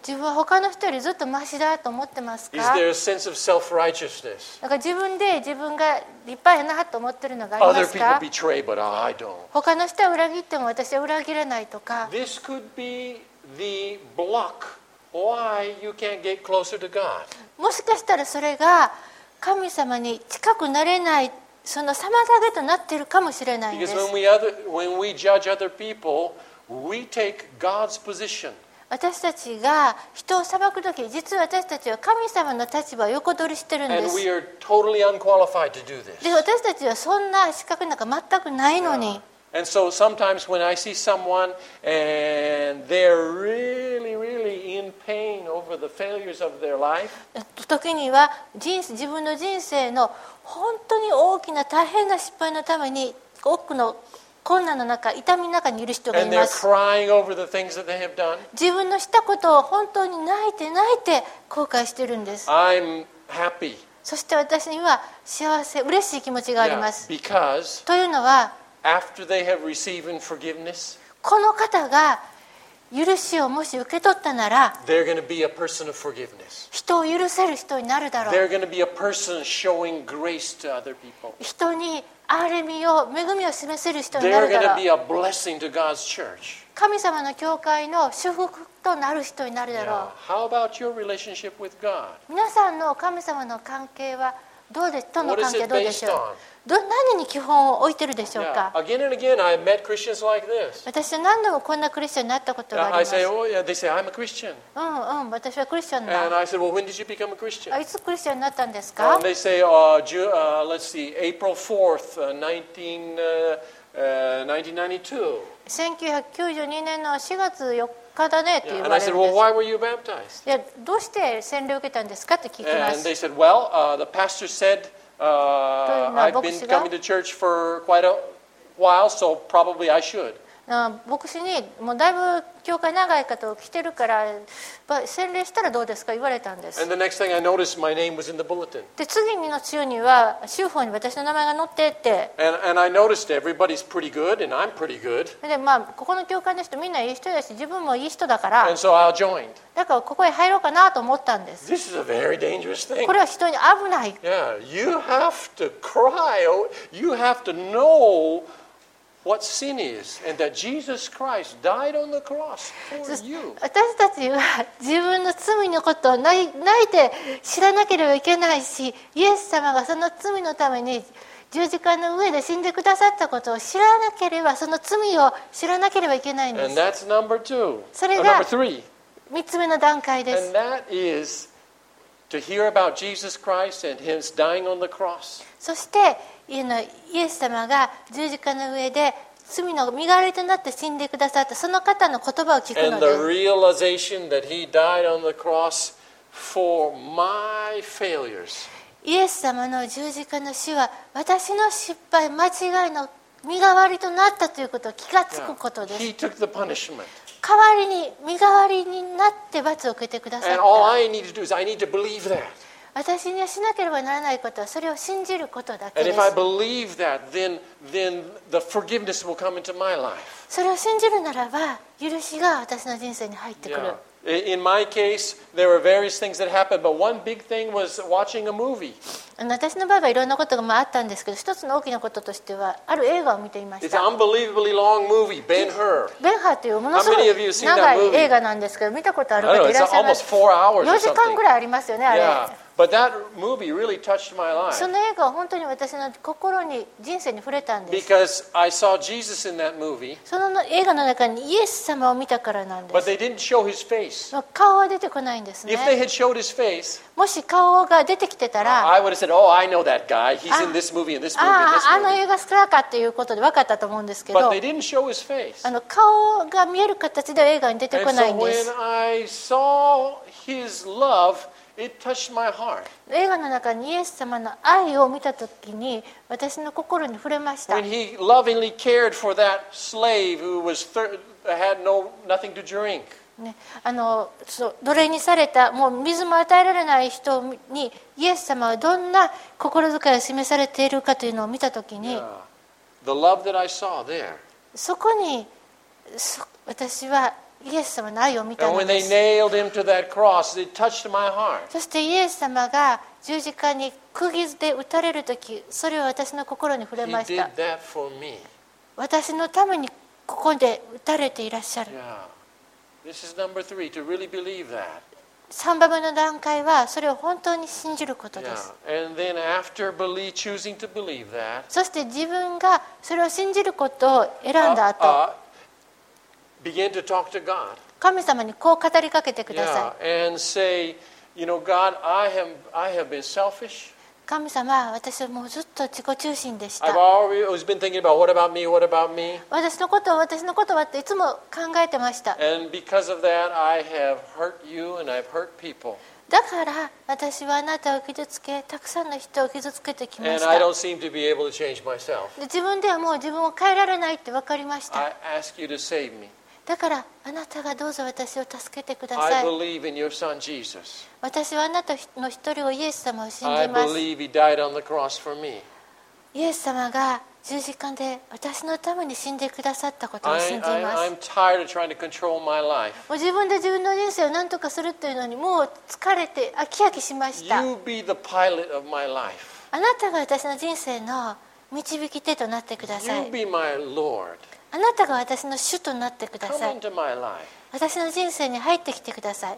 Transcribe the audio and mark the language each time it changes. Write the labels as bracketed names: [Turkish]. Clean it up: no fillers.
[Japanese] 自分は他の人よりずっとマシだと思ってますか？ [English] Is there a sense of self-righteousness? [Japanese] なんか自分で自分が立派やなと思ってるのがありますか？ [English] Other people betray, but I don't. [Japanese] 他の人は裏切っても私は裏切れないとか。 [English] This could be the block why you can't get closer to God. [Japanese] もしかしたらそれが神様に近くなれないその妨げとなっているかもしれないんです。 [English] Because when we judge other people, we take God's position. [Japanese] 私たちが人を裁くとき、実は私たちは神様の立場を横取りしているんです。 [English] And we are totally unqualified to do this. [Japanese] で、私たちはそんな資格なんか全くないのに。 [English] Yeah. And so sometimes when I see someone and they're really, really in pain over the failures of their life, [Japanese] 時には自分の人生の本当に大きな大変な失敗のために多くの困難の中痛みの中にいる人がいます。自分のしたことを本当に泣いて泣いて後悔してるんです。 [English] I'm happy. [Japanese] そして私には幸せ嬉しい気持ちがあります、 [English] yeah. Because [Japanese] というのは [English] after they have received forgiveness, [Japanese] この方が許しをもし受け取ったなら、 [English] They're going to be a person of forgiveness. [Japanese] 人を許せる人になるだろう。 [English] They're going to be a person showing grace to other people. [Japanese] 人に憐れみを恵みを示せる人になるだろう。 [English] They're going to be a blessing to God's church. [Japanese] 神様の教会の祝福となる人になるだろう。 [English] Yeah. How about your relationship with God? [Japanese] 皆さんの神様の関係はどうで、との関係どうでしょう。何に基本を置いてるでしょうか。 [English] Yeah. Again and again, I've met Christians like this. [Japanese] 私は何度もこんなクリスチャンになったことがあります。 [English] I say, oh, yeah, they say, I'm a Christian. [Japanese] うん、私はクリスチャンだ。 [English] And I said, well, when did you become a Christian? [Japanese] いつクリスチャンになったんですか。 [English] And they say, let's see, April 4th, 1992. [Japanese] 1992年の4月4日だねって言われるんです。 [English] And I said, well, why were you baptized? [Japanese] いや、どうして洗礼を受けたんですかって聞きます。 [English] And they said, well, the pastor said,I've been coming to church for quite a while, so probably I should. [Japanese] 牧師にもうだいぶ教会長いかと来てるから、洗礼したらどうですか？言われたんです。 [English] And the next thing I noticed, my name was in the bulletin. [Japanese] で次の週には週報に私の名前が載ってって。 [English] And I noticed everybody's pretty good, and I'm pretty good. [Japanese] でまあここの教会の人みんないい人だし、自分もいい人だから。 [English] And so I joined. [Japanese] だからここへ入ろうかなと思ったんです。 [English] This is a very dangerous thing. [Japanese] これは人に危ない。 [English] Yeah, you have to cry. You have to know what sin is and that Jesus Christ died on the cross for you. [Japanese] 私たちは自分の罪のことを泣いて知らなければいけないし、イエス様がその罪のために十字架の上で死んでくださったことを知らなければ、その罪を知らなければいけないんです。 [English] And that's number two. [Japanese] それが3つ目の段階です。 [English] And that is to hear about Jesus Christ and his dying on the cross. [Japanese] そしてイエス様が十字架の上で罪の身代わりとなって死んでくださったその方の言葉を聞くのです。 [English] And the realization that he died on the cross for my failures. [Japanese] イエス様の十字架の死は私の失敗、間違いの身代わりとなったということを気がつくことです。 [English] Yeah. He took the punishment. [Japanese] 代わりに身代わりになって罰を受けてくださった。 [English] And all I need to do is I need to believe that. [Japanese] 私にはしなければならないことはそれを信じることだけです。 [English] And if I believe that, then the forgiveness will come into my life. [Japanese] それを信じるならば許しが私の人生に入ってくる。 [English] Yeah. In my case, there were various things that happened, but one big thing was watching a movie. [Japanese] 私の場合はいろんなことがあったんですけど、一つの大きなこととしてはある映画を見ていました。 [English] It's an unbelievably long movie, Ben-Hur. [Japanese] Ben-Hur というものすごい長い映画なんですけど、見たことある方いらっしゃいます。 [English] Almost 4 hours. [Japanese] 4時間ぐらいありますよね、あれ。 [English] But that movie really touched my life. [Japanese] その映画は本当に私の心に人生に触れたんです。 [English] Because I saw Jesus in that movie. [Japanese] その映画の中にイエス様を見たからなんです。 [English] But they didn't show his face. [Japanese] 顔は出てこないんですね。 [English] If they had showed his face, [Japanese] もし顔が出てきてたら、 [English] I would have said, "Oh, I know that guy. He's in this movie and this movie and this movie." [Japanese] あの映画スターかということで分かったと思うんですけど。 [English] But they didn't show his face. [Japanese] 顔が見える形では映画に出てこないんです。 [English] And so when I saw his love. It touched my heart. [Japanese] 映画の中にイエス様の愛を見たときに私の心に触れました。 [English] When he lovingly cared for that slave who was had no nothing to drink. [Japanese] ね、奴隷にされたもう水も与えられない人にイエス様はどんな心遣いを示されているかというのを見たときに、 [English] The love that I saw there. [Japanese] そこに私はイエス様の愛を見たのです。 [English] And when they nailed him to that cross, it touched my heart. [Japanese] そしてイエス様が十字架に釘で打たれるとき、それは私の心に触れました。 [English] He did that for me. [Japanese] 私のためにここで打たれていらっしゃる。 [English] This is number three, to really believe that. [Japanese] 3番目の段階はそれを本当に信じることです。 [English] And then after believe, choosing to believe that. [Japanese] そして自分がそれを信じることを選んだ後、 [English] Begin to talk to God. [Japanese] 神様にこう語りかけてください。 [English] Yeah, and say, you know, God, I have been selfish. [Japanese] 神様、私はもうずっと自己中心でした。 [English] I've always been thinking about what about me, what about me. [Japanese] 私のことはっていつも考えてました。 [English] And because of that, I have hurt you and I've hurt people. [Japanese] だから私はあなたを傷つけ、たくさんの人を傷つけてきました。 [English] And I don't seem to be able to change myself. [Japanese] 自分ではもう自分を変えられないって分かりました。 [English] I ask you to save me. [Japanese] だからあなたがどうぞ私を助けてください。 [English] I believe in your son Jesus. [Japanese] 私はあなたの一人をイエス様を信じます。 [English] I believe he died on the cross for me. [Japanese] イエス様が十字架で私のために死んでくださったことを信じます。 [English] I'm tired of trying to control my life. [Japanese] もう自分で自分の人生を何とかするというのにもう疲れて飽き飽きしました。 [English] You be the pilot of my life. [Japanese] あなたが私の人生の導き手となってください。 [English] You be my Lord. [Japanese] あなたが私の主となってください。 [English] Come into my life. [Japanese] 私の人生に入ってきてください。